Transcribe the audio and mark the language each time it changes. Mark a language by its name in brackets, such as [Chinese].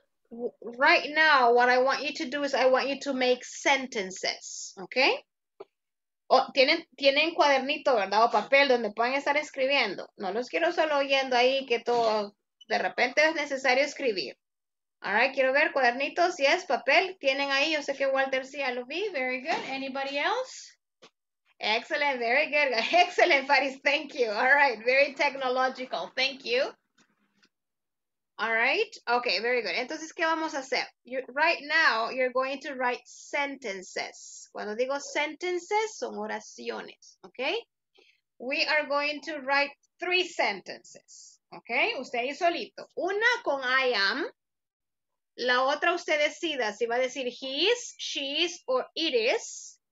[English] Right now, what I want you to do is I want you to make sentences. Okay? [Spanish] Oh, ¿tienen cuadernito, verdad? O papel donde puedan estar escribiendo. No los quiero solo oyendo ahí que todo de repente es necesario escribir. All right, quiero ver cuadernitos, yes, papel, tienen ahí, yo sé que Walter sí, ya lo vi, [English] very good, anybody else? Excellent, very good, excellent, Faris, thank you, all right, very technological, thank you. All right, okay, very good, [Spanish] entonces, ¿qué vamos a hacer? [English] Right now, you're going to write sentences. [Spanish] Cuando digo sentences, son oraciones, okay? [English] We are going to write 3 sentences, okay? [Spanish] Usted ahí solito, una con I am. La otra usted decida si va a decir [English] he is, she is, or it is.